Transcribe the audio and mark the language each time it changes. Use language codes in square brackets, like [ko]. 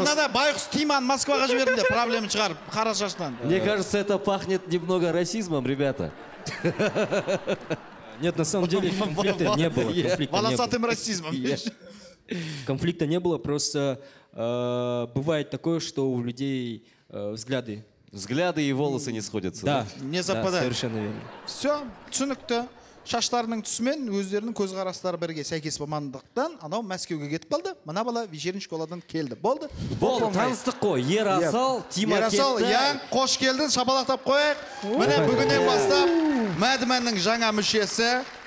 [kk] Анада байқыс Тиман Москваға жіберді, [ru] проблемы [kk] шығар, қара шаштан. [ru] Мне кажется, это пахнет немного расизмом, ребята. Нет, на самом деле конфликта не было. Волосатым расизмом. Конфликта не было, просто бывает такое, что у людей взгляды. Взгляды и волосы не сходятся. Да, не западают. Совершенно верно. Все, [kk] түсінікті. Шаштарының түсімен өздерінің көзқарастары бірге сәйкес болмағандықтан анау Мәскеуге кетіп қалды. Мына бала [ru] вечерний школадан [kk] келді. Болды. Болды, таныстық қой. Ерасыл, Тима кетті. Ерасыл, Ян, қош келдің, шапалақтап қояйық. Міне бүгіннен бастап Мәдіменнің жаңа мүшесі.